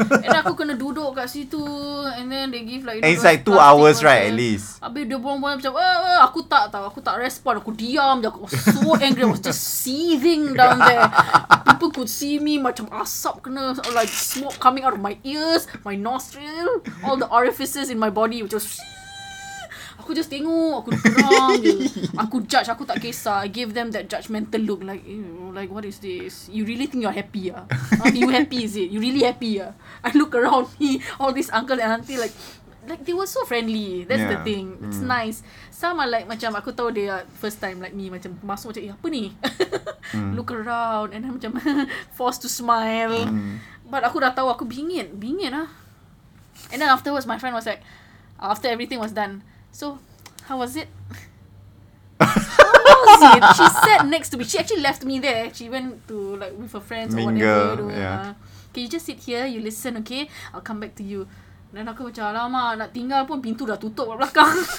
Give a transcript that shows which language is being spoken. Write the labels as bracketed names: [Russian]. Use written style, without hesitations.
[Malay] And aku kena duduk kat situ. [English] And then they give like, and it's like 2 hours right, at least. [Malay] Habis dia buang-buang macam, aku tak tahu, aku tak respon. Aku diam je. [English] Aku was so angry. I was just seething down there. People could see me [Malay] macam asap kena, [English] like smoke coming out of my ears, my nostril, all the orifices in my body, which was, [Malay] aku just tengok, aku geram je. Aku judge, aku tak kisah. [English] I give them that judgmental look like, like what is this? You really think you're happy ah? Huh? You happy is it? You really happy ah? I look around me, all these uncle and auntie like they were so friendly. That's the thing. It's nice. Some are like [Malay] macam aku tahu dia [English] first time like me [Malay] macam masuk macam apa ni? [English] Look around and then macam forced to smile. [Malay] But aku dah tahu aku bingit ah. [English] And then afterwards my friend was like, after everything was done, so how was it? She sat next to me. She actually left me there. She went to like with her friends Mingle, or whatever. Can you just sit here? You listen, okay? I'll come back to you. Then [Malay] aku macam, alamak, nak tinggal pun pintu dah tutup kat belakang.